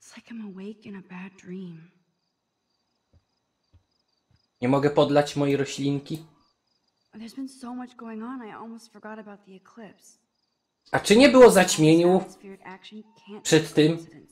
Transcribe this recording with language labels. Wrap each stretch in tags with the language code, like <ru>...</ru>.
<en>I'm awake in a bad dream.</en> <pl>Nie mogę podlać mojej roślinki?</pl> <en>There's been so much going on, I almost forgot about the eclipse.</en> <pl>A czy nie było zaćmieniu przed tym?</pl>